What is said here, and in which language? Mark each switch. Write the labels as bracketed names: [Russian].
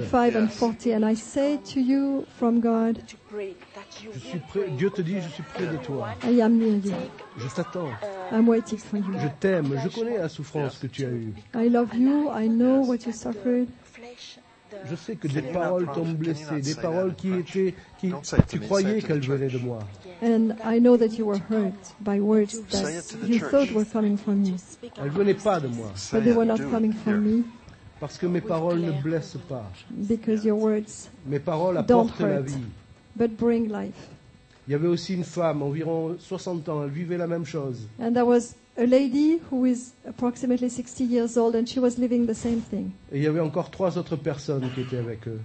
[English] Between 35 and 40, and I say to you from God, [French] je suis prêt, Dieu te dit, je suis près de toi. [English] I am near you. [French] Je t'attends. [English] I'm waiting for you. [French] Je t'aime. Je connais la souffrance que tu as eue. [English] I love you. I know what you suffered. [French] Je sais que des paroles t'ont blessé, des paroles qui étaient, qui tu croyais qu'elles venaient de moi. [English] And I know that you were hurt by words that you thought were coming from me. [French] Elles venaient pas de moi. [English] But they were not coming from me. [French] Parce que mes paroles ne blessent pas. [English] Because your words [French] mes paroles apportent la vie. [English] But bring life. [French] Il y avait aussi une femme, environ 60 ans, elle vivait la même chose. [English] And there was a lady who is approximately 60 years old and she was living the same thing. [French] Et il y avait encore trois autres personnes qui étaient avec eux.